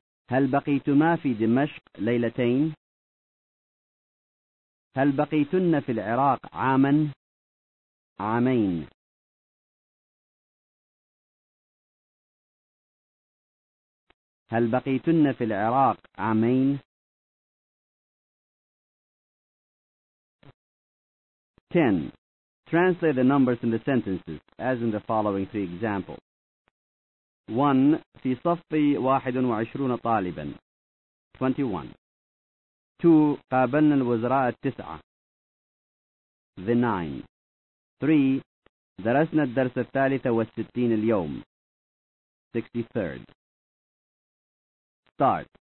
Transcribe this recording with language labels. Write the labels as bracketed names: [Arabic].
[Arabic] هل بقيتما في دمشق ليلتين؟ هل بقيتن في العراق عاما؟ عامين. هل بقيتن في العراق عامين؟ [English] Ten. Translate the numbers in the sentences, as in the following three examples. One. [Arabic] في صفي واحد وعشرون طالبا. [English] 21. Two. [Arabic] قابلنا الوزراء التسعة. [English] The nine. Three. [Arabic] درسنا الدرس الثالث والستين اليوم. [English] 63rd. Start.